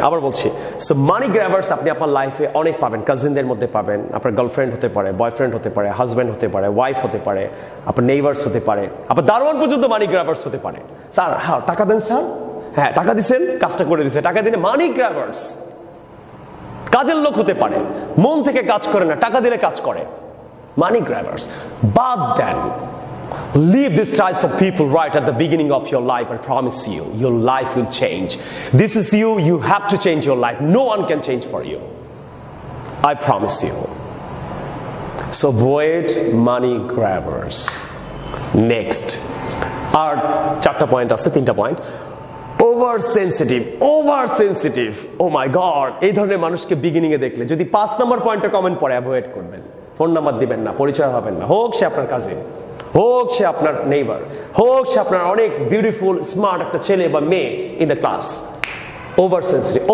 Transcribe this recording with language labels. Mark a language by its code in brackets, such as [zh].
[bn] আবার বলছি, সো মানি গ্র্যাবার্স আপনি আপনার লাইফে অনেক পাবেন, কাজিনদের মধ্যে পাবেন, আপনার গার্লফ্রেন্ড হতে পারে, বয়ফ্রেন্ড হতে পারে, হাজব্যান্ড হতে পারে, ওয়াইফ হতে পারে, আপনার নেইবার্স হতে পারে, আপনার দারোয়ান পর্যন্ত মানি গ্র্যাবার্স হতে পারে। স্যার হ্যাঁ টাকা দেন, স্যার হ্যাঁ টাকা দিচ্ছেন, কাজটা করে দিচ্ছে, টাকা দিলে মানি গ্র্যাবার্স, কাজের লোক হতে পারে, মন থেকে কাজ করে না, টাকা দিলে কাজ করে, মানি গ্র্যাবার্স। বাদ দেন, [en] leave this types of people right at the beginning of your life, I promise you, your life will change. This is you, you have to change your life, no one can change for you, I promise you. So avoid money grabbers. Next, our chapter point [bn] আছে, তিনটা point, over sensitive, over sensitive, [en] oh my God, [bn] এই ধরনের মানুষকে beginning এ দেখলে, যদি 5 নম্বর পয়েন্টে comment পড়ে avoid করবেন, ফোন নাম্বার দিবেন না, পরিচয় হবেন না, হোক সে আপনার কাজিন, হোক সে আপনার নেইবার, হোক সে আপনার অনেক বিউটিফুল স্মার্ট একটা ছেলে বা মেয়ে [en] in the class, [bn] over sensitive.